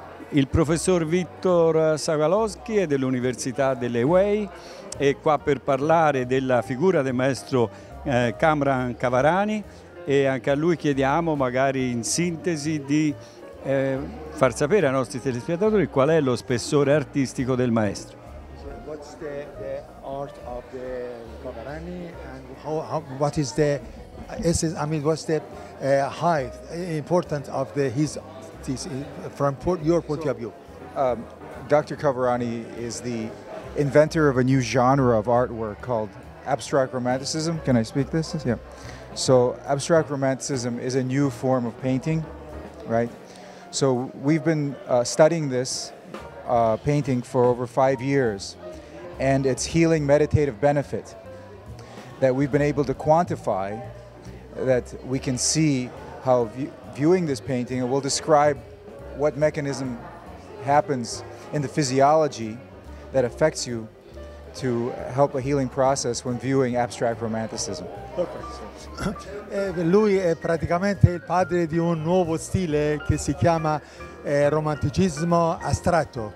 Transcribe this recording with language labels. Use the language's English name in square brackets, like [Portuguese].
[Italian] Il professor Vittor Sagalowski è dell'Università delle UEI, è qua per parlare della figura del maestro Kamran Kavarani, e anche a lui chiediamo, magari in sintesi, di far sapere ai nostri telespettatori qual è lo spessore artistico del maestro. [English] What's the art of the Kavarani and what is the essence, I mean, what's the height important of the his from your point of view? Dr. Kavarani is the inventor of a new genre of artwork called abstract romanticism. Can I speak this? Yeah. So abstract romanticism is a new form of painting, right? So we've been studying this painting for over 5 years, and its healing meditative benefit that we've been able to quantify, that we can see how viewing this painting, and we'll describe what mechanism happens in the physiology that affects you to help a healing process when viewing abstract romanticism. Okay. [Italian] Lui è praticamente il padre di un nuovo stile che si chiama romanticismo astratto.